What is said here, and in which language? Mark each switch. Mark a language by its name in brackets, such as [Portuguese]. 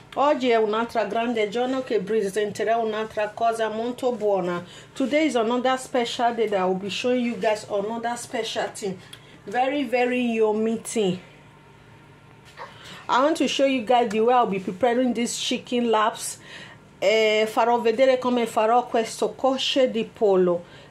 [Italian] Oggi è un'altra grande giorno che presenterà un'altra cosa molto buona. [English] Today is another special day that I will be showing you guys another special thing. Very, very yummy thing. I want to show you guys the way I'll be preparing these chicken laps. [Italian] Farò vedere come farò questo cosce di pollo.